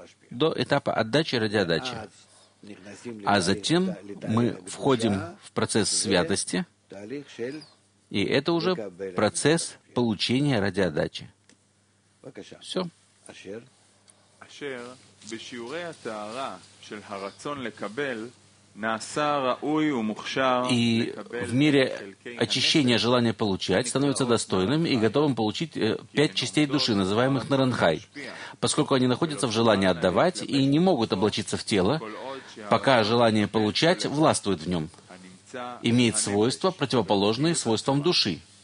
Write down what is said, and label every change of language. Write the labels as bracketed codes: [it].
[ru] До этапа отдачи ради отдачи. А затем мы входим в процесс святости, и это уже процесс получения ради отдачи. Все. [he] אשר בשיעורי התארה של הרצון לקבל נעשה ראוי ומוכשר [ru] и в мире очищения желания получать становится достойным и готовым получить пять частей души, называемых наранхай, поскольку они находятся в желании отдавать и не могут облачиться в тело, пока желание получать властвует в нем, имеет свойства, противоположные свойствам души.